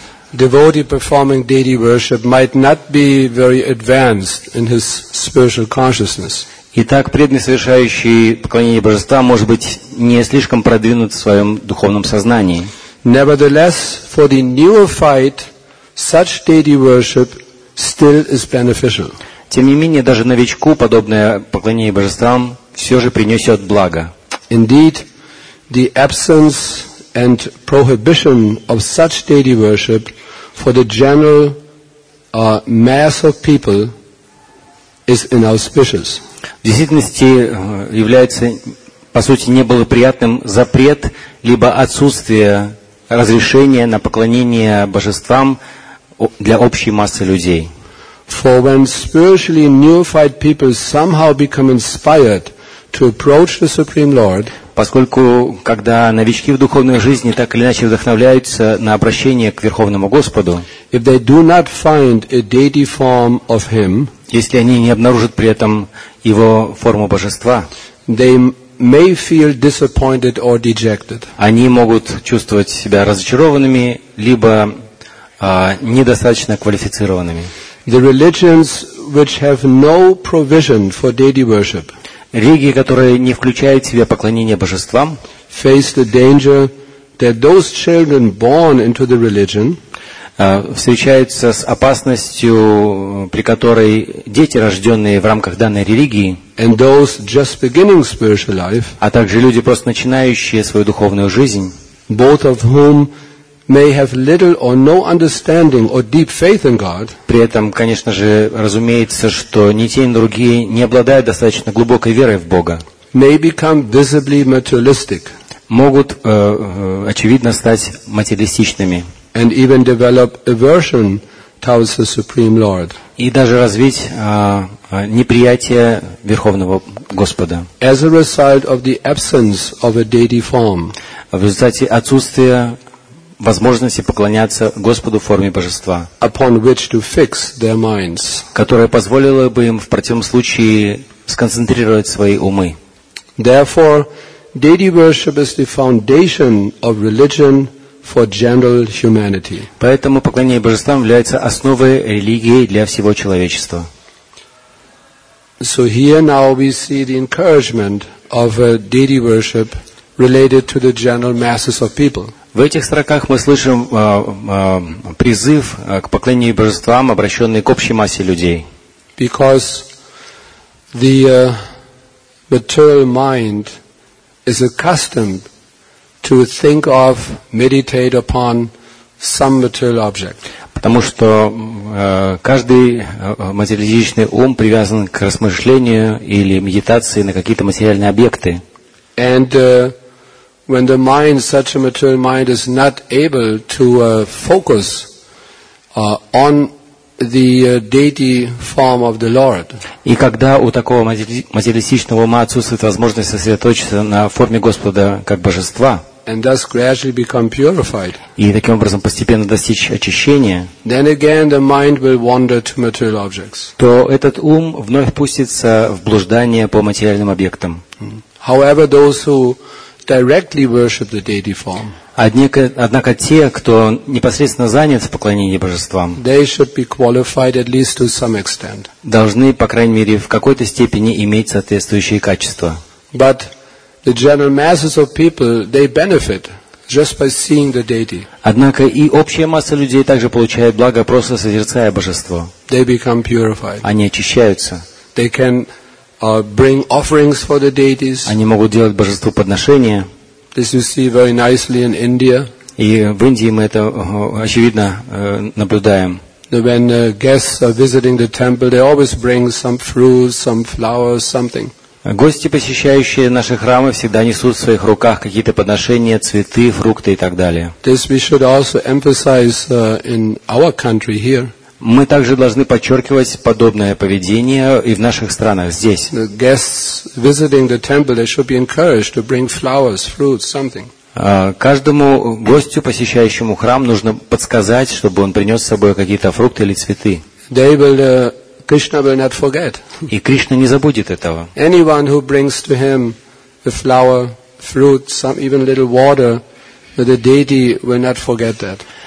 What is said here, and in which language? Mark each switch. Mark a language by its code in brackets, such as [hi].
[en] The devotee performing deity worship might not be very advanced in his spiritual consciousness. [ru] Итак, преданный, совершающий поклонение божества, может быть не слишком продвинут в своем духовном сознании. [en] Nevertheless, for the neophyte, such deity worship still is beneficial. [ru] Тем не менее, даже новичку подобное поклонение божествам все же принесет благо. [en] Indeed. The absence and prohibition of such deity worship for the general mass of people is inauspicious. [ru] В действительности является, по сути, неблагоприятным запрет либо отсутствие разрешения на поклонение божествам для общей массы людей. [en] For when spiritually neophyte people somehow become inspired to approach the Supreme Lord. [ru] Поскольку, когда новички в духовной жизни так или иначе вдохновляются на обращение к Верховному Господу, [en] if they do not find a deity form of him, [ru] если они не обнаружат при этом его форму божества, [en] they may feel disappointed or dejected. [ru] Они могут чувствовать себя разочарованными либо недостаточно квалифицированными. [en] The religions which have no provision for deity worship. [ru] Религии, которые не включают в себя поклонение божествам, [en] face the danger that those children born into the religion [ru] встречаются с опасностью, при которой дети, рожденные в рамках данной религии, [en] and those just beginning spiritual life, [ru] а также люди, просто начинающие свою духовную жизнь, [en] both of whom may have little or no understanding or deep faith in God. [ru] При этом, конечно же, разумеется, что ни те, ни другие не обладают достаточно глубокой верой в Бога. [en] May become visibly materialistic. [ru] Могут очевидно стать материалистичными. [en] And even develop aversion towards the Supreme Lord. [ru] И даже развить неприятие Верховного Господа. [en] As a result of the absence of a deity form. [ru] В результате отсутствия возможности поклоняться Господу в форме божества, [en] upon which to fix their minds, [ru] которая позволила бы им в противном случае сконцентрировать свои умы. [en] Therefore, deity worship is the foundation of religion for general humanity. [ru] Поэтому поклонение божествам является основой религии для всего человечества. [en] So here now we see the encouragement of deity worship related to the general masses of people. [ru] В этих строках мы слышим призыв к поклонению божествам, обращенный к общей массе людей. [en] Because the material mind is accustomed to think of, meditate upon some material object. [ru] Потому что каждый материалистичный ум привязан к размышлению или медитации на какие-то материальные объекты. [en] And when the mind, such a material mind, is not able to focus on the deity form of the Lord. [ru] И когда у такого материалистичного ума отсутствует возможность сосредоточиться на форме Господа как божества, [en] and thus gradually become purified, [ru] и таким образом постепенно достичь очищения, [en] then again the mind will wander to material objects. [ru] То этот ум вновь пустится в блуждание по материальным объектам. [en] However, those who directly worship the deity form. [ru] Однако те, кто непосредственно занят в поклонении божествам, [en] they should be qualified at least to some extent. [ru] Должны, по крайней мере, в какой-то степени иметь соответствующие качества. [en] But the general masses of people, they benefit just by seeing the deity. [ru] Однако и общая масса людей также получает благо, просто созерцая божество. [en] They become purified. [ru] Они очищаются. [en] They can bring offerings for the deities. [ru] Они могут делать божеству подношения. [en] This you see very nicely in India. [ru] И в Индии мы это очевидно наблюдаем. [en] When guests are visiting the temple, they always bring some fruits, some flowers, something. [ru] Гости, посещающие наши храмы, всегда несут в своих руках какие-то подношения, цветы, фрукты и так далее. [en] This we should also emphasize in our country here. [ru] Мы также должны подчеркивать подобное поведение и в наших странах здесь. [en] Guests visiting the temple, they should be encouraged to bring flowers, fruits, something. [ru] Каждому гостю, посещающему храм, нужно подсказать, чтобы он принес с собой какие-то фрукты или цветы. [en] They will, Krishna will not forget. [ru] И Кришна не забудет этого. [en] Anyone who brings to him a flower, fruit, some even little water, the deity will not forget that.